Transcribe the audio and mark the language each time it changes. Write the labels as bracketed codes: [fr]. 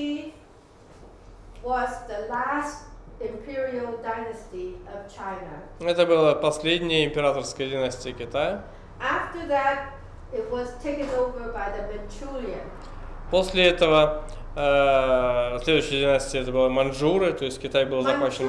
[en] Mind you, Ming Dynasty was the last imperial dynasty of China. [ru] Это была последняя императорская династия Китая. [en] After that, it was taken over by the Manchurian. [ru] После этого следующая династия это была Маньчжуры, то есть Китай был захвачен